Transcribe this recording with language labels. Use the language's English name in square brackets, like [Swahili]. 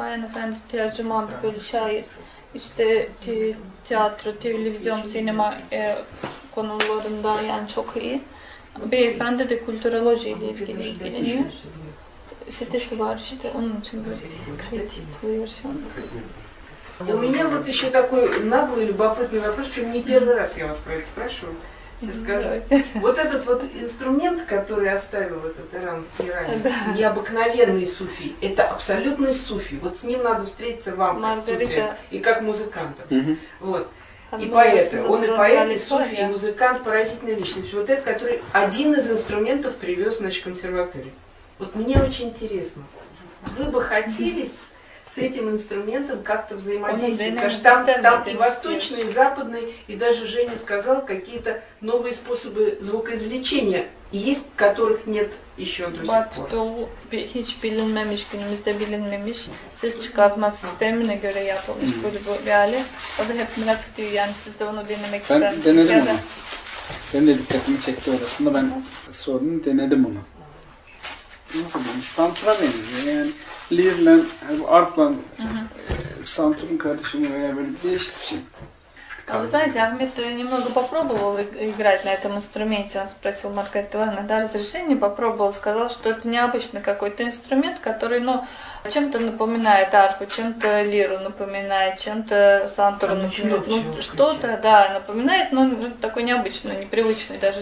[Turkish] Bayan Efendi tercüman, böyle şair, işte tiyatro, televizyon, sinema konularında yani çok iyi. Beyefendi de kültüroloji ile ilgileniyor. Sitesi var işte, onun için böyle kritik buluyor şu anda. [Russian] У меня вот еще такой наглый, любопытный вопрос, что не первый раз я вас про это спрашиваю. Скажу. Вот этот вот инструмент, который оставил этот Иран Пиранец, необыкновенный суфи, это абсолютный суфи. Вот с ним надо встретиться вам, Маргарита, и как музыканта. Вот. И поэты. Он и поэт, и суфи, и музыкант, поразительная личность. Вот этот, который один из инструментов привез, значит, консерваторию. Вот мне очень интересно, вы бы хотели с этим инструментом как-то взаимодействовать. Потому что там и восточный, и западный, и даже Женя сказал, какие-то новые способы звукоизвлечения есть, которых нет еще до сих пор. [Turkish] Батту hiç bilinmemiş, günümüzde bilinmemiş ses çıkartma sistemine göre yapılmış böyle bir alet. O da hep merak ediyor yani siz de onu denemek istersiniz. Ben denedim onu. Benim de dikkatimi çekti orasında. Ben sordum, denedim onu. Nasıl bir santura benziyor yani. Lirle, Art'la Santur'un karışımı veya böyle değişik bir şey. [Russian] А вы знаете, Ахмед немного попробовал играть на этом инструменте, он спросил Маргарита Ивановна, да, разрешение попробовал, сказал, что это необычный какой-то инструмент, который, ну, чем-то напоминает арфу, чем-то лиру напоминает, чем-то сантуру напоминает, ну, что-то, да, напоминает, но такой необычный, непривычный даже.